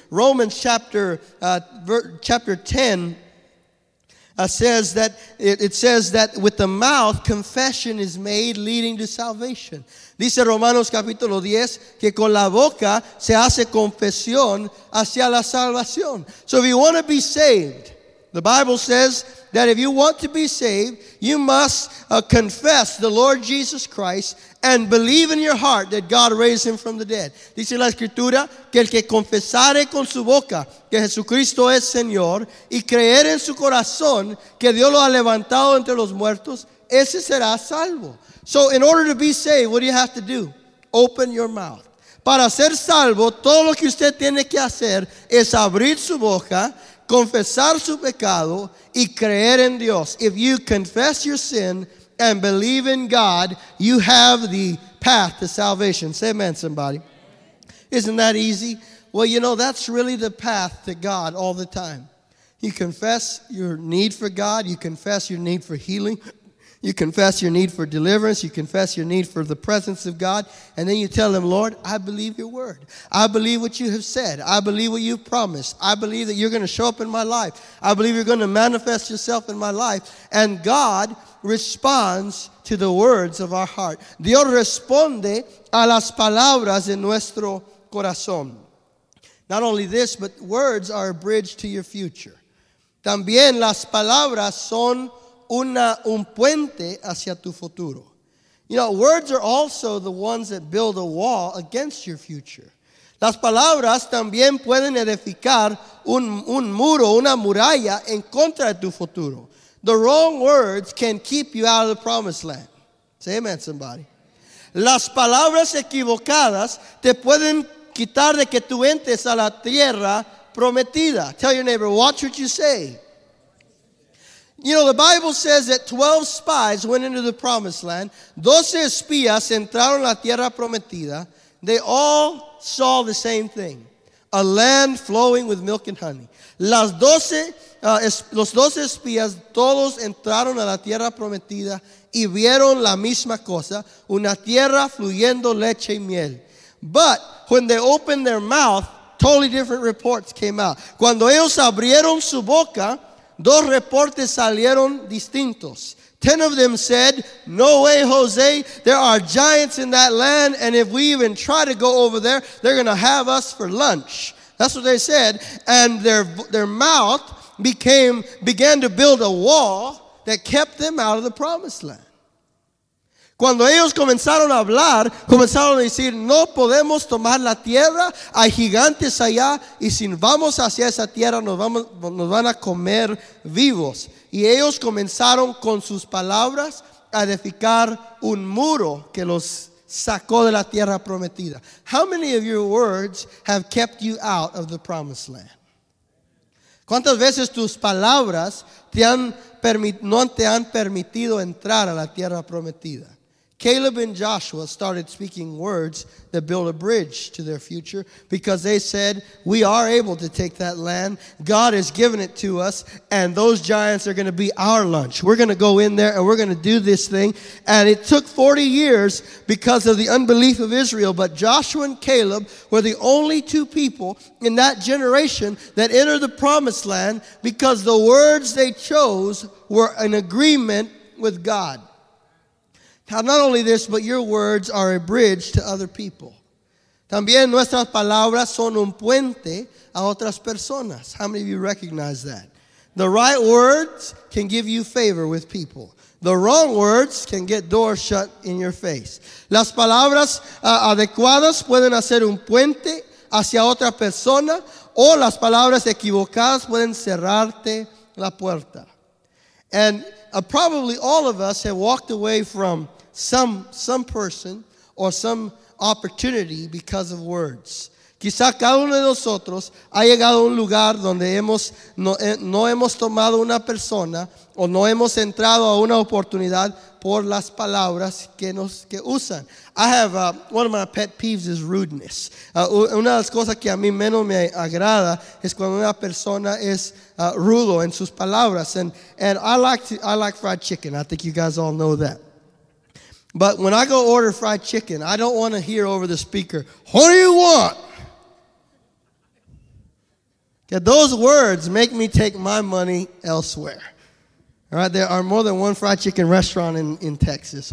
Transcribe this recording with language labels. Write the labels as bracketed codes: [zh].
[en] Romans chapter chapter 10 says that it says that with the mouth confession is made leading to salvation. [es] Dice Romanos capítulo 10 que con la boca se hace confesión hacia la salvación. [en] So if you want to be saved, the Bible says that if you want to be saved, you must confess the Lord Jesus Christ and believe in your heart that God raised him from the dead. [es] Dice la Escritura que el que confesare con su boca que Jesucristo es Señor y creer en su corazón que Dios lo ha levantado entre los muertos, ese será salvo. [en] So in order to be saved, what do you have to do? Open your mouth. [es] Para ser salvo, todo lo que usted tiene que hacer es abrir su boca, confesar su pecado y creer en Dios. [en] If you confess your sin and believe in God, you have the path to salvation. Say amen, somebody. Isn't that easy? Well, you know, that's really the path to God all the time. You confess your need for God. You confess your need for healing. You confess your need for deliverance. You confess your need for the presence of God. And then you tell him, Lord, I believe your word. I believe what you have said. I believe what you've promised. I believe that you're going to show up in my life. I believe you're going to manifest yourself in my life. And God responds to the words of our heart. [es] Dios responde a las palabras en nuestro corazón. [en] Not only this, but words are a bridge to your future. [es] También las palabras son un puente hacia tu futuro. [en] You know, words are also the ones that build a wall against your future. [es] Las palabras también pueden edificar un muro, una muralla en contra de tu futuro. [en] The wrong words can keep you out of the promised land. Say amen, somebody. [es] Las palabras equivocadas te pueden quitar de que tú entres a la tierra prometida. [en] Tell your neighbor, watch what you say. You know, the Bible says that 12 spies went into the promised land. [es] 12 espías entraron a la tierra prometida. [en] They all saw the same thing. A land flowing with milk and honey. [es] Los 12 espías, todos entraron a la tierra prometida y vieron la misma cosa, una tierra fluyendo leche y miel. [en] But when they opened their mouth, totally different reports came out. [es] Cuando ellos abrieron su boca, dos reportes salieron distintos. [en] 10 of them said, no way, Jose, there are giants in that land, and if we even try to go over there, they're going to have us for lunch. That's what they said. And their mouth began to build a wall that kept them out of the promised land. [es] Cuando ellos comenzaron a hablar, comenzaron a decir, no podemos tomar la tierra, hay gigantes allá, y si vamos hacia esa tierra, nos van a comer vivos. Y ellos comenzaron con sus palabras a edificar un muro que los sacó de la tierra prometida. [en] How many of your words have kept you out of the promised land? [es] ¿Cuántas veces tus palabras no te han permitido entrar a la tierra prometida? [en] Caleb and Joshua started speaking words that build a bridge to their future because they said, we are able to take that land. God has given it to us, and those giants are going to be our lunch. We're going to go in there, and we're going to do this thing. And it took 40 years because of the unbelief of Israel, but Joshua and Caleb were the only two people in that generation that entered the promised land because the words they chose were in agreement with God. Now, not only this, but your words are a bridge to other people. [es] También nuestras palabras son un puente a otras personas. [en] How many of you recognize that? The right words can give you favor with people. The wrong words can get doors shut in your face. [es] Las palabras adecuadas pueden hacer un puente hacia otra persona, o las palabras equivocadas pueden cerrarte la puerta. [en] And probably all of us have walked away from some person or some opportunity because of words. [es] Quizá cada uno de nosotros ha llegado a un lugar donde no hemos tomado una persona o no hemos entrado a una oportunidad por las palabras que usan. [en] I have one of my pet peeves is rudeness. [es] Una de las cosas que a mí menos me agrada es cuando una persona es rudo en sus palabras. [en] And I like fried chicken. I think you guys all know that. But when I go order fried chicken, I don't want to hear over the speaker, what do you want? Yeah, those words make me take my money elsewhere. All right, there are more than one fried chicken restaurant in Texas.